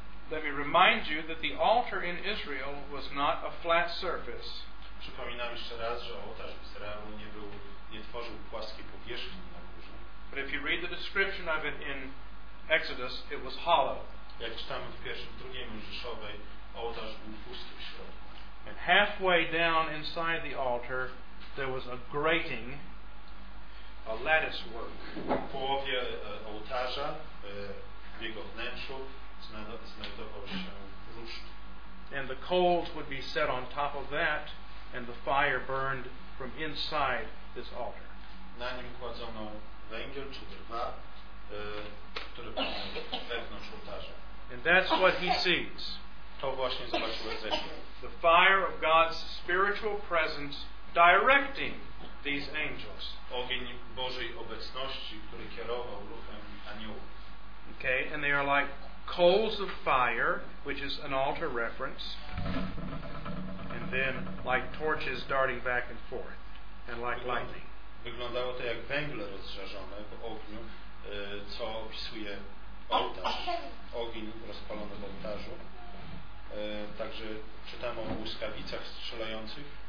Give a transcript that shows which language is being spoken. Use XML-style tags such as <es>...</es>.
<en>Let me remind you that the altar in Israel was not a flat surface.</en> <pl>Przypominam jeszcze raz, że ołtarz w Izraelu nie tworzył płaskiej powierzchni na górze.</pl> <en>But if you read the description of it in Exodus, it was hollow.</en> <pl>Jak czytamy w drugiej Mojżeszowej, ołtarz był pusty w środku.</pl> <en>And halfway down inside the altar, there was a grating, a lattice work.</en> <pl>W połowie ołtarza, w jego wnętrzu, znajdował się ruszt.</pl> <en>And the coals would be set on top of that, and the fire burned from inside this altar.</en> <pl>Na nim kładzono węgiel czy drwa, który był wewnątrz ołtarza.</pl> <en>And that's what he sees.</en> <pl>To właśnie zobaczył Ezechiel.</pl> <en>The fire of God's spiritual presence directing these angels.</en> <pl>Ogień Bożej obecności, który kierował ruchem aniołów.</pl> <en>Okay, and they are like coals of fire, which is an altar reference, and then like torches darting back and forth, and like lightning.</en> <pl>Wyglądało to jak węgle rozżarzone w ogniu, co opisuje ołtarz, ogień rozpalony w ołtarzu. Także czytamy o błyskawicach strzelających.</pl>